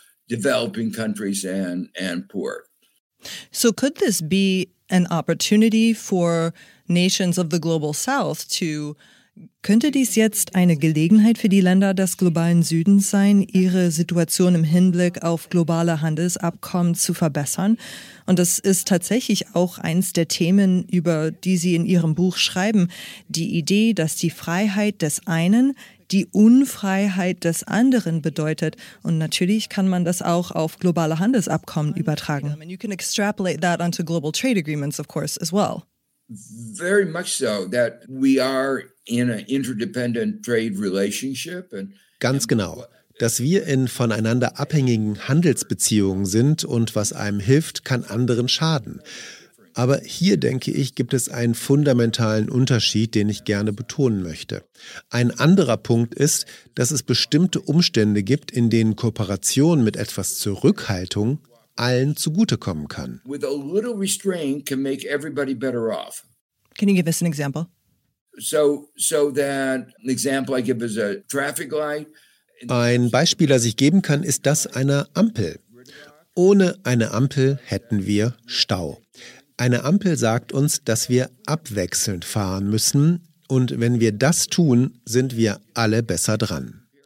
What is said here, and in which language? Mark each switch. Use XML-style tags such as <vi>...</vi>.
<en>Developing countries and poor. So could this be an opportunity for nations of the global south to,</en> <de>könnte dies jetzt eine Gelegenheit für die Länder des globalen Südens sein, ihre Situation im Hinblick auf globale Handelsabkommen zu verbessern? Und das ist tatsächlich auch eins der Themen, über die Sie in Ihrem Buch schreiben. Die Idee, dass die Freiheit des einen die Unfreiheit des anderen bedeutet. Und natürlich kann man das auch auf globale Handelsabkommen übertragen.</de> <en>And you can extrapolate that onto global trade agreements, of course, as well. Very much so, that we are in an interdependent trade relationship.</en> <de>Ganz genau. Dass wir in voneinander abhängigen Handelsbeziehungen sind und was einem hilft, kann anderen schaden. Aber hier, denke ich, gibt es einen fundamentalen Unterschied, den ich gerne betonen möchte. Ein anderer Punkt ist, dass es bestimmte Umstände gibt, in denen Kooperation mit etwas Zurückhaltung allen zugutekommen kann.</de> <en>With a little restraint can make everybody better off. Can you give us an example? So that an example I give is a traffic light.</en> <de>Ein Beispiel, das ich geben kann, ist das einer Ampel. Ohne eine Ampel hätten wir Stau. Eine Ampel sagt uns, dass wir abwechselnd fahren müssen und wenn wir das tun, sind wir alle besser dran.</de>